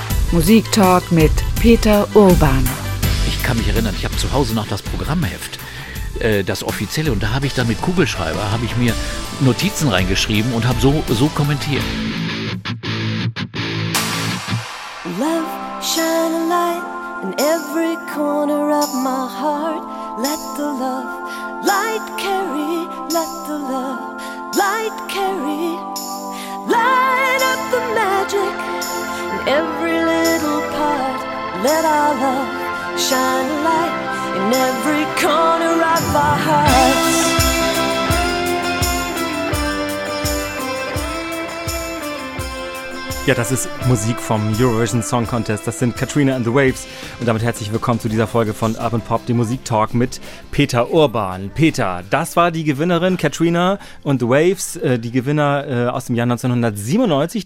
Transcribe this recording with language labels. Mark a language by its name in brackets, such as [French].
[German] Musiktalk mit Peter Urban. Ich kann mich erinnern, ich habe zu Hause noch das Programmheft, das offizielle, und da habe ich dann mit Kugelschreiber, habe ich mir Notizen reingeschrieben und habe so kommentiert. [English] Love, shine a light in every corner of my heart. Let the love light carry, let the love light carry. Light up the magic in every little part. Let our love shine a light in every corner of our hearts. [German] Ja, das ist Musik vom Eurovision Song Contest. Das sind Katrina and the Waves. Und damit herzlich willkommen zu dieser Folge von Urban Pop, dem Musiktalk mit Peter Urban. Peter, das war die Gewinnerin Katrina and the Waves, die Gewinner aus dem Jahr 1997.